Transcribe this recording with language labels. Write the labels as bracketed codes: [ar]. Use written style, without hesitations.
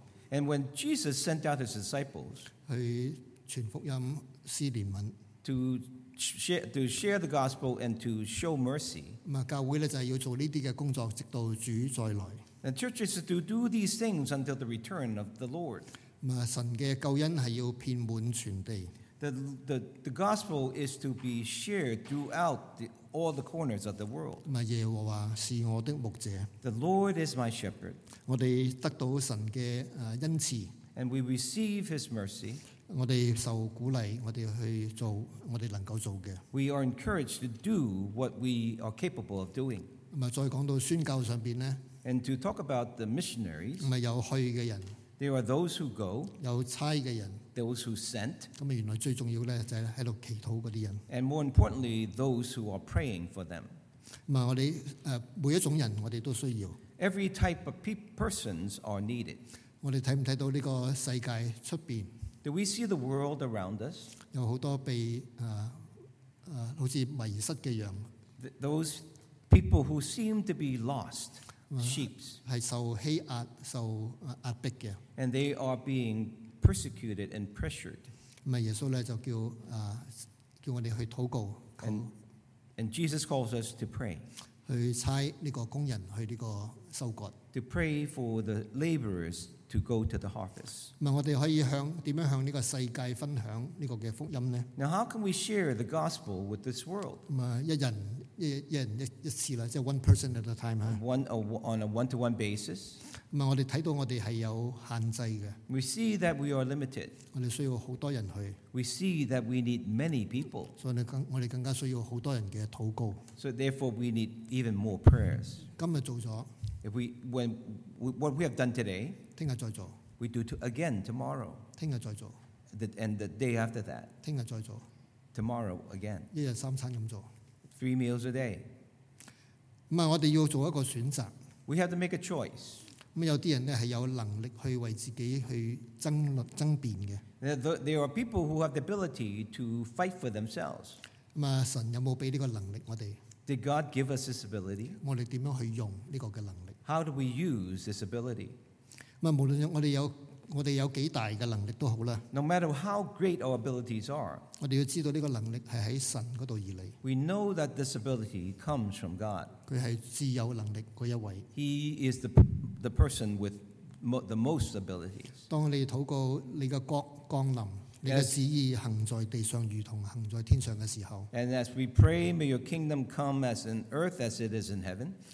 [en] And when Jesus sent out his disciples to share the gospel and to show mercy. [zh] 教会就是要做这些工作直到主再来。 [en] And churches to do these things until the return of the Lord. [zh] 神的救恩是要遍满全地。 [en] The gospel is to be shared throughout all the corners of the world. [zh] 耶和华是我的牧者。 [en] The Lord is my shepherd. [zh] 我们得到神的恩赐。 [en] And we receive his mercy. [zh] 我们受鼓励, 我们去做, 我们能够做的。 [en] We are encouraged to do what we are capable of doing. [zh] 再讲到宣教上面呢, [en] And to talk about the missionaries, [zh] 不是有去的人, [en] there are those who go, [zh] 有差的人, [en] those who sent, [zh] 原来最重要的就是在祈祷那些人, [en] and more importantly, those who are praying for them. [zh] 不是我们, 每一种人, 我们都需要, [en] every type of persons are needed. [zh] 我们看不看到这个世界外面, [en] do we see the world around us? [zh] 有很多被, 好像迷失的羊, [en] those people who seem to be lost. Sheep [zh] 是受欺压, 受压迫的, [en] and they are being persecuted and pressured. [zh] 耶稣呢就叫, 叫我们去祷告, [en] and Jesus calls us to pray. [zh] 去差这个工人, 去这个收割, [en] to pray for the laborers to go to the harvest. [zh] 我们可以向, 怎么向这个世界分享这个福音呢? [en] Now, how can we share the gospel with this world? [zh] 一人, 一人一次了, 即是 [en] one person at a time, on a one-to-one basis. [zh] 我们看到我们是有限制的, [en] we see that we are limited. [zh] 我们需要很多人去, [en] we see that we need many people. [zh] 我们更加需要很多人的祷告, [en] so therefore we need even more prayers. [zh] 今天做了, [en] if we, when, what we have done today, [zh] 明天再做, [en] we do to again tomorrow. [zh] 明天再做, [en] and the day after that. [zh] 明天再做, [en] tomorrow again. [zh] 一日三餐这么做, [en] three meals a day. [zh] 不是我们要做一个选择, [en] we have to make a choice. [zh] 有些人是有能力去为自己去争辩的, [en] there are people who have the ability to fight for themselves. [zh] 神有没有给这个能力我们? [en] Did God give us this ability? [zh] 我们怎么去用这个能力? [en] How do we use this ability? [zh] 无论我们有, 我们有多大的能力都好, [en] no matter how great our abilities are, [zh] 我们要知道这个能力是在神那里而来, [en] we know that this ability comes from God. [zh] 祂是自有能力那一位, [en] he is the person with the most abilities. [zh] 当你祷告你的国降临, 你的旨意行在地上如同行在天上的时候, [en] and as we pray, may your kingdom come as in earth as it is in heaven,